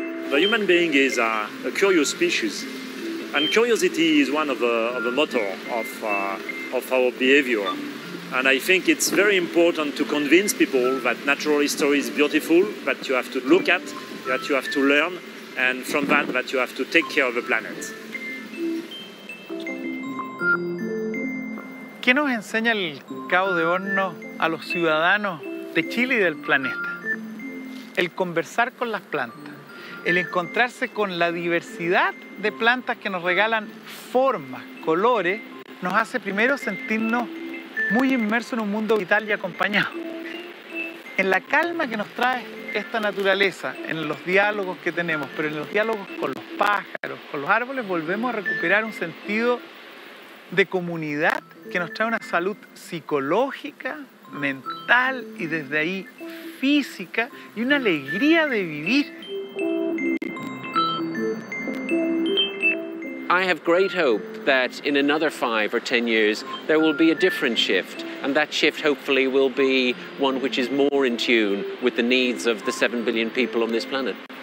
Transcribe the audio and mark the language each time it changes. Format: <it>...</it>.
<en>The human being is a curious species, and curiosity is one of the motto of our behavior. And I think it's very important to convince people that natural history is beautiful, that you have to look at, that you have to learn, and from that you have to take care of the planet.</en> <es>¿Qué nos enseña el Cabo de Hornos a los ciudadanos de Chile y del planeta? El conversar con las plantas, el encontrarse con la diversidad de plantas que nos regalan formas, colores, nos hace primero sentirnos muy inmerso en un mundo vital y acompañado. En la calma que nos trae esta naturaleza, en los diálogos que tenemos, pero en los diálogos con los pájaros, con los árboles, volvemos a recuperar un sentido de comunidad que nos trae una salud psicológica, mental y desde ahí física y una alegría de vivir.</es> <en>I have great hope that in another 5 or 10 years, there will be a different shift. And that shift hopefully will be one which is more in tune with the needs of the 7 billion people on this planet.</en>